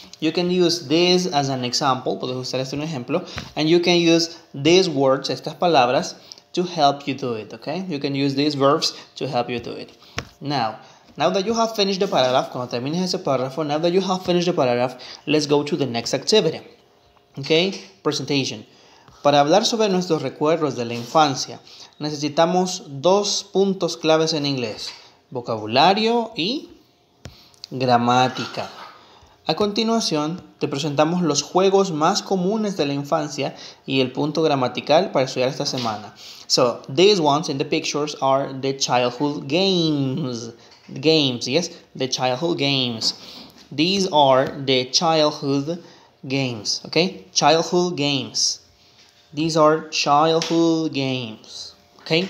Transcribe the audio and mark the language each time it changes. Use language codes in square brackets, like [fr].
[en] You can use this as an example, [es] puedes usar este un ejemplo, [en] and you can use these words, [es] estas palabras, [en] to help you do it, okay? You can use these verbs to help you do it. Now that you have finished the paragraph, [es] cuando termines ese párrafo, [en] now that you have finished the paragraph, let's go to the next activity, okay? Presentation. [es] Para hablar sobre nuestros recuerdos de la infancia, necesitamos dos puntos claves en inglés, vocabulario y gramática. A continuación, te presentamos los juegos más comunes de la infancia y el punto gramatical para estudiar esta semana. [en] So, these ones in the pictures are the childhood games. Games, yes? The childhood games. These are the childhood games, okay? Childhood games. These are childhood games, okay?